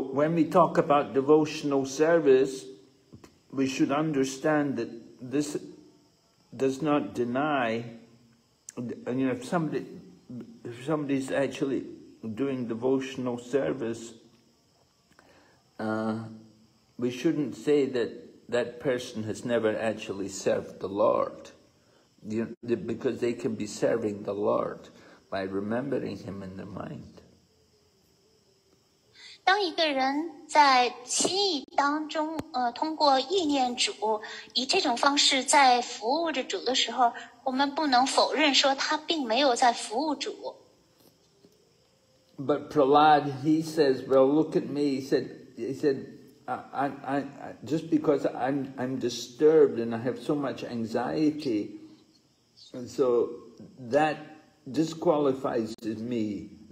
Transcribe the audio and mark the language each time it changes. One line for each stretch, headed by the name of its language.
English: when we talk about devotional service, we should understand that this does not deny, and you know, if somebody's actually doing devotional service, we shouldn't say that person has never actually served the Lord, because they can be serving the Lord by remembering him in their mind.
Chinese: 当一个人在心意当中当中，通过意念主，以这种方式在服务着主的时候，我们不能否认说他并没有在服务主。
English: But Prahlad, he says, well, look at me. He said, I'm disturbed and I have so much anxiety, and so that disqualifies me.